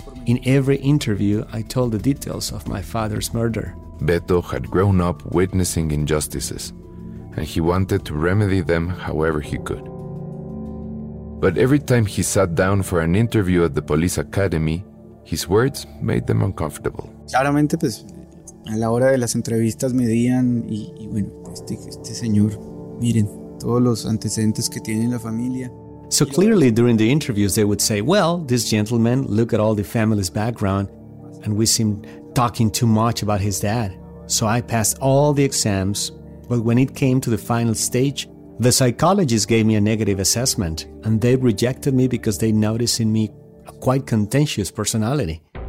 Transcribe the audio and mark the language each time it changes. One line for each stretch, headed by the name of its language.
Spanish: pormenores.
English: In every interview, I told the details of my father's murder. Beto had grown up witnessing injustices, and he wanted to remedy them however he could. But every time he sat down for an interview at the police academy, his words made them uncomfortable.
Spanish: Claramente, pues, a la hora de las entrevistas medían y bueno, este señor, miren, todos los antecedentes que tiene en la familia.
English: So clearly during the interviews they would say, well, this gentleman, look at all the family's background, and we seem talking too much about his dad. So I passed all the exams, but when it came to the final stage, the psychologist gave me a negative assessment, and they rejected me because they noticed in me a quite contentious personality.